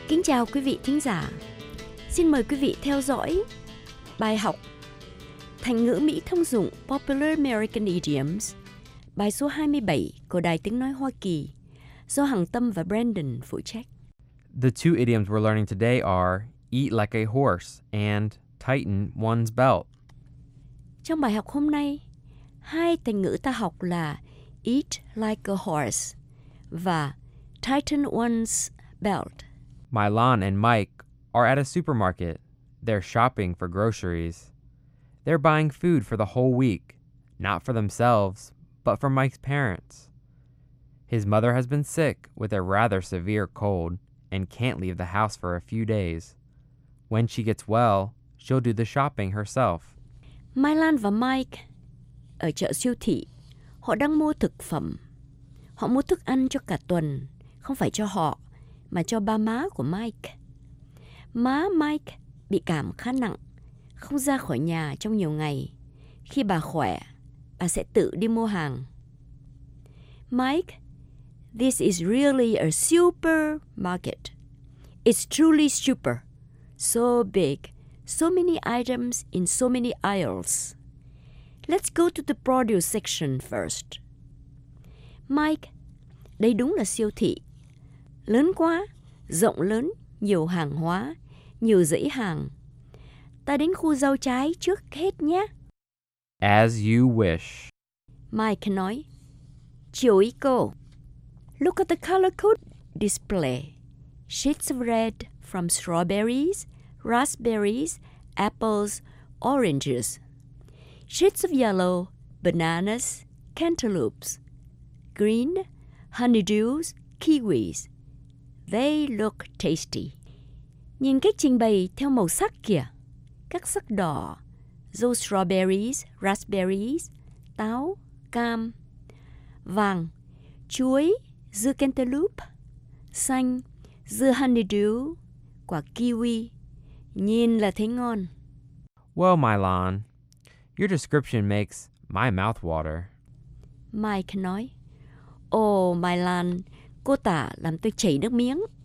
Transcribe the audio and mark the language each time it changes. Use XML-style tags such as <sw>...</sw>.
<vi>chào quý vị thính giả. Xin mời quý vị theo dõi bài học Thành ngữ Mỹ thông dụng Popular American Idioms, bài số 27 của Đài Tiếng Nói Hoa Kỳ, do Hằng Tâm và Brandon phụ trách.</vi> <en>The two idioms we're learning today are eat like a horse and tighten one's belt.</en> <vi>Trong bài học hôm nay, hai thành ngữ ta học là</vi> <en>eat like a horse</en> <vi>và</vi> <en>tighten one's belt. Mylon and Mike are at a supermarket. They're shopping for groceries. They're buying food for the whole week, not for themselves, but for Mike's parents. His mother has been sick with a rather severe cold and can't leave the house for a few days. When she gets well, she'll do the shopping herself.</en> <vi>Mylon và Mike ở chợ siêu thị. Họ đang mua thực phẩm. Họ mua thức ăn cho cả tuần, không phải cho họ, mà cho ba má của Mike. Má Mike bị cảm khá nặng, không ra khỏi nhà trong nhiều ngày. Khi bà khỏe, bà sẽ tự đi mua hàng.</vi> <en>Mike, this is really a supermarket. It's truly super. So big. So many items in so many aisles. Let's go to the produce section first.</en> <vi>Mike, đây đúng là siêu thị. Lớn quá, rộng lớn, nhiều hàng hóa, nhiều dãy hàng. Ta đến khu rau trái trước hết nhé.</vi> <en>As you wish.</en> <vi>Mike nói, chiều ý cô.</vi> <en>Look at the color code display. Shades of red from strawberries, raspberries, apples, oranges. Shades of yellow, bananas, cantaloupes. Green, honeydews, kiwis. They look tasty.</en> <vi>Nhìn cách trình bày theo màu sắc kìa. Các sắc đỏ,</vi> <en>those strawberries, raspberries,</en> <vi>táo, cam, vàng, chuối, dưa cantaloupe, xanh, dưa honeydew, quả kiwi, nhìn là thấy ngon.</vi> <en>Well, Mylon, your description makes my mouth water.</en> <vi>Mike nói, Mylon, cô tả làm tôi chảy nước miếng.</vi>